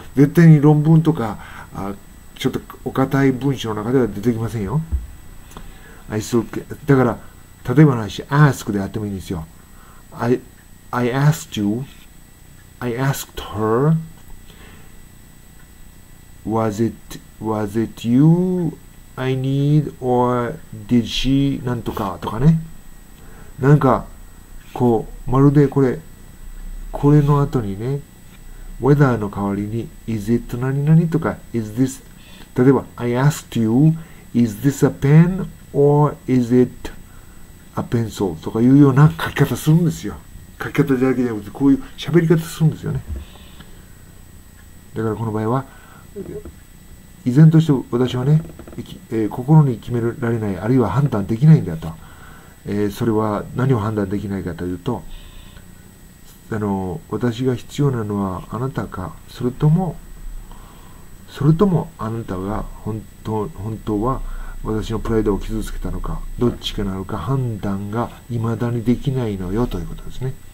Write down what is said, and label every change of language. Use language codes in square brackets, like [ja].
[ja] 絶対に論文とかちょっとお堅い文章の中では出てきませんよ。 I still だから例えばの話 ask であってもいいんですよ。 [en] I asked you I asked her was it youI need or did she [ja] なんとかとかね、なんかこうまるでこれの後にね whether の代わりに is it 何々とか is this 例えば [en] I asked you is this a pen or is it a pencil [ja] とかいうような書き方するんですよ。書き方だけじゃなくてこういう喋り方するんですよね。だからこの場合は依然として私はね、心に決められない、あるいは判断できないんだと。それは何を判断できないかというと、私が必要なのはあなたか、それともあなたが本当は私のプライドを傷つけたのか、どっちかなのか判断が未だにできないのよということですね。